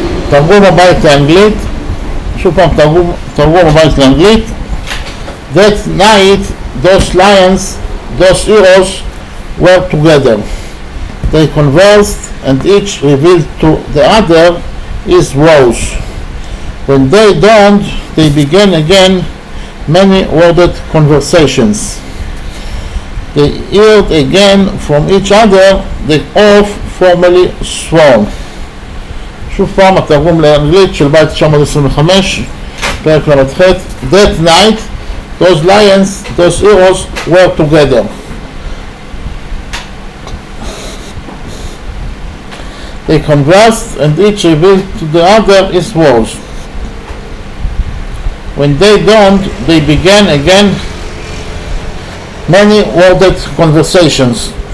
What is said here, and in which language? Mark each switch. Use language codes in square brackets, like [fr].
[he] תרגום הבית לאנגלית, שוב פעם תרגום הבית לאנגלית. [en] That night those lions, those heroes were together. They conversed and each revealed to the other his woes. When day dawned, they began again many worded conversations. They heard again from each other the oath formerly sworn. [he] שוב פעם התרגום לאנגלית של בית 925, פרק ל"ח. [en] That night, those lions, those heroes were together. They conversed and each revealed to the other his woes. When day dawned, they began again many worded conversations.